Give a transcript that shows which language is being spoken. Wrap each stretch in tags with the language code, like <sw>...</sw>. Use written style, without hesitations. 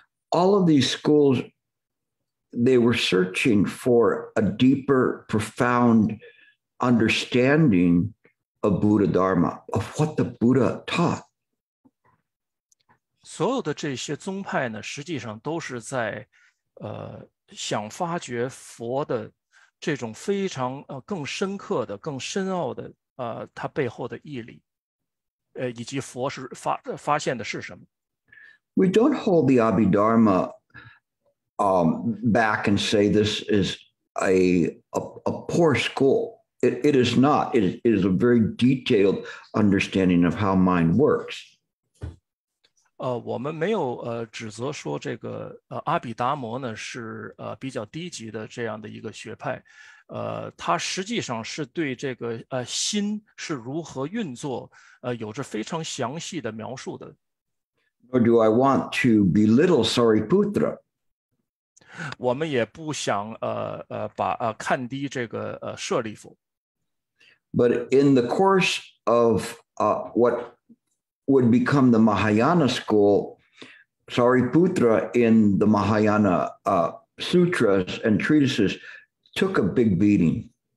<en>All of these schools, they were searching for a deeper, profound understanding of Buddha Dharma, of what the Buddha taught.</en> <zh>所有的这些宗派呢，实际上都是在想发掘佛的这种非常更深刻的更深奥的它背后的义理以及佛是发现的是什么。</zh> <en>We don't hold the Abhidharma back and say this is a poor school. It is not. It is a very detailed understanding of how mind works.</en> <zh>我们没有指责说这个阿毕达摩呢是比较低级的这样的一个学派，它实际上是对这个心是如何运作有着非常详细的描述的。</zh> <en>Nor do I want to belittle Sariputra.</en> <zh>我们也不想看低这个舍利弗。</zh> <en>But in the course of what would become the Mahayana school, Sariputra in the Mahayana sutras and treatises took a big beating.</en>